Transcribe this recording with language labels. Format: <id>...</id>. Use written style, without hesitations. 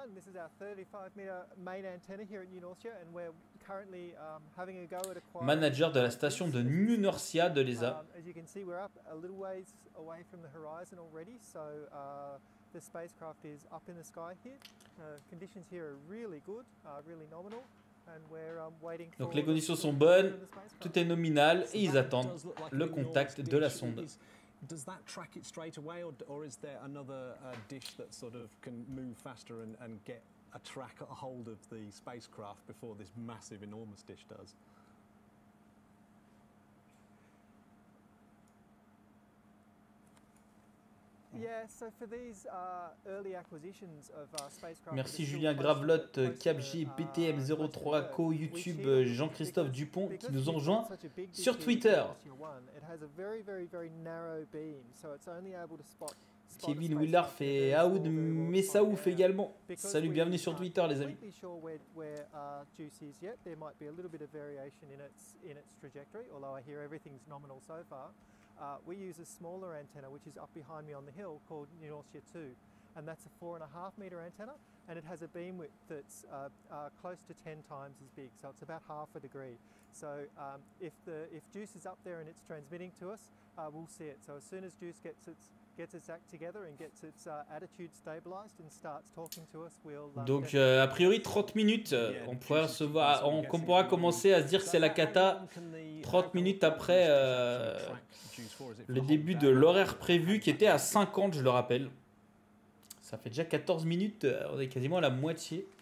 <en>This is our 35 meter main antenna here at Eunorcia, and we're currently having a go at acquiring.</en> <fr>Manager de la station de Eunorcia de l'ESA.</fr> <en>As you can see, we're up a little ways away from the horizon already, so the spacecraft is up in the sky here. Conditions here are really good, really nominal, and we're waiting.</en> <fr>Donc les conditions sont bonnes, tout est nominal, et ils attendent le contact de la sonde.</fr> <en>Does that track it straight away, or is there another dish that sort of can move faster and get a track, a hold of the spacecraft before this massive, enormous dish does? Yeah, so for these early acquisitions of spacecraft.</en> <fr>Merci Julien Gravelotte, CapG, BTM03, Co, YouTube, Jean-Christophe Dupont qui nous ont rejoint sur Twitter.</fr> <en>It has a very, very, very narrow beam, so it's only able to spot.</en> <fr>Kevin Willard fait Aoud Messaouf également. Salut, bienvenue sur Twitter, les amis.</fr> <en>We use a smaller antenna, which is up behind me on the hill, called New Norcia 2. And that's a 4.5 meter antenna, and it has a beam width that's close to 10 times as big. So it's about half a degree. So if JUICE is up there and it's transmitting to us, we'll see it. So as soon as JUICE gets its act together and gets its attitude stabilized and starts talking to us, we'll...</en> <fr>Donc, a priori, 30 minutes, on pourra recevoir, on pourra commencer à se dire que c'est la cata 30 minutes après le début de l'horaire prévu qui était à 50, je le rappelle. Ça fait déjà 14 minutes, on est quasiment à la moitié.</fr>